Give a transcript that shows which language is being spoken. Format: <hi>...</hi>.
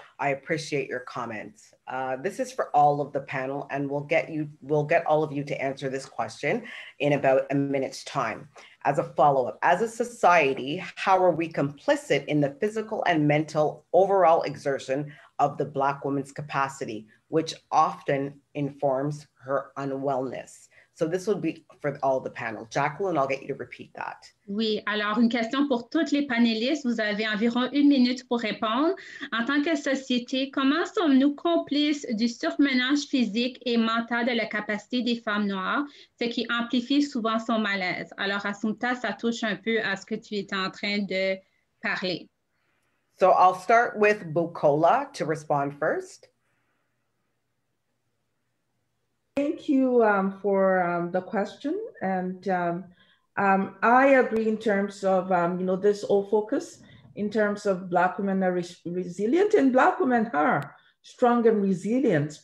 <en>I appreciate your comments. This is for all of the panel, and we'll get all of you to answer this question in about a minute's time. As a follow-up, as a society, how are we complicit in the physical and mental overall exertion of the Black woman's capacity, which often informs her unwellness? So this will be for all the panel. Jacqueline, I'll get you to repeat that.</en> <fr>Oui, alors une question pour toutes les panélistes. Vous avez environ une minute pour répondre. En tant que société, comment sommes-nous complices du surmenage physique et mental de la capacité des femmes noires, ce qui amplifie souvent son malaise? Alors, Assumpta, ça touche un peu à ce que tu étais en train de parler.</fr> <en>So I'll start with Bukola to respond first. Thank you for the question. And I agree in terms of, you know, this whole focus in terms of Black women are resilient and Black women are strong and resilient.</en>